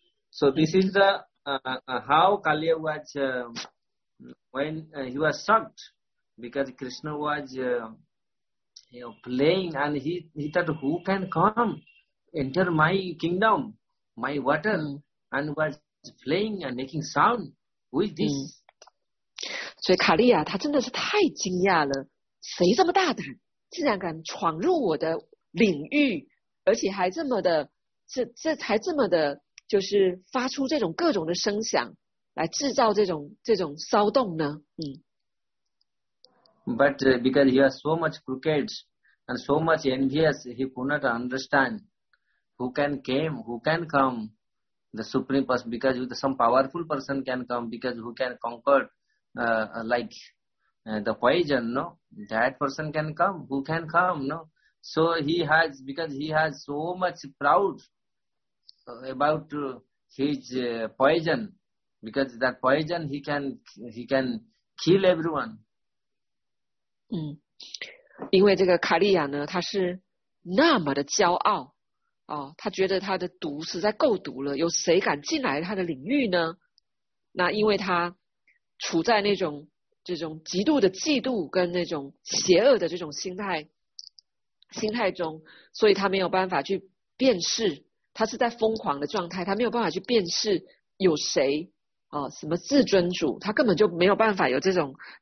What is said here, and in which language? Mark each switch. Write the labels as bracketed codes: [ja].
[en] So this is the how Kaliya was when he was shocked because Krishna was. Playing and he thought who can come enter my kingdom, my water, and was playing and making sound with this. [zh] 所以卡利亚他真的是太惊讶了，谁这么大胆，竟然敢闯入我的领域，而且还这么的，这还这么的，就是发出这种各种的声响来制造这种骚动呢？ [en] But because he was so much crooked and so much envious, he could not understand who can come, the supreme person, because some powerful person can come, because who can conquer the poison, no? That person can come, who can come, no? So because he has so much proud about his poison, because that poison he can kill everyone. [zh] 因为这个卡利亚呢，他是那么的骄傲哦，他觉得他的毒实在够毒了，有谁敢进来他的领域呢？那因为他处在那种这种极度的嫉妒跟那种邪恶的这种心态中，所以他没有办法去辨识，他是在疯狂的状态，他没有办法去辨识有谁哦，什么至尊主，他根本就没有办法有这种。